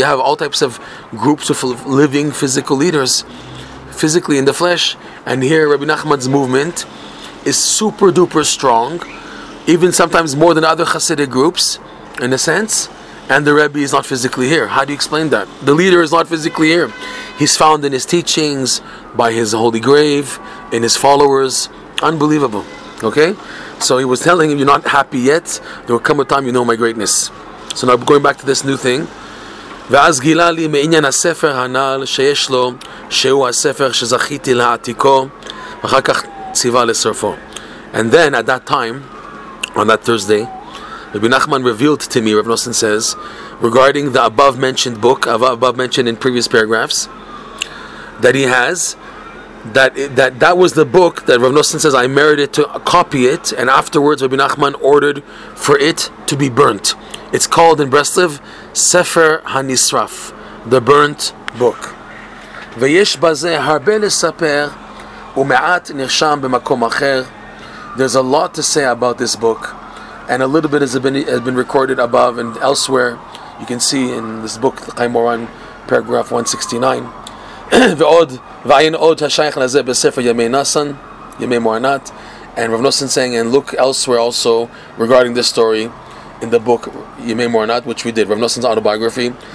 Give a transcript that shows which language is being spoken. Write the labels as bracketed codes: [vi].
[en] You have all types of groups of living physical leaders physically in the flesh, and here Rabbi Nachman's movement is super duper strong, even sometimes more than other Hasidic groups, in a sense, and the Rebbe is not physically here. How do you explain that? The leader is not physically here. He's found in his teachings, by his holy grave, in his followers. Unbelievable. Okay? So he was telling him, you're not happy yet. There will come a time you know my greatness. So now going back to this new thing. [he] ואז גילה לי מעניין הספר הנעל שיש לו, שהוא הספר שזכיתי להעתיקו, ואחר כך ציווה לסרפו. [en] And then, at that time, on that Thursday, Rabbi Nachman revealed to me, Rav Nosson says, regarding the above-mentioned book, above-mentioned in previous paragraphs, that he has, that was the book that Rav Nosson says, I merited to copy it, and afterwards Rabbi Nachman ordered for it to be burnt. It's called in Breslev, Sefer HaNisraf, the burnt book. [he] ויש בזה הרבה לספר ומעט נרשם במקום אחר. [en] There's a lot to say about this book, and a little bit has been recorded above and elsewhere. You can see in this book, Chaim Moran, paragraph 169. And Rav Nosson saying, and look elsewhere also regarding this story in the book Yemei Moranat, which we did, Rav Nosson's autobiography.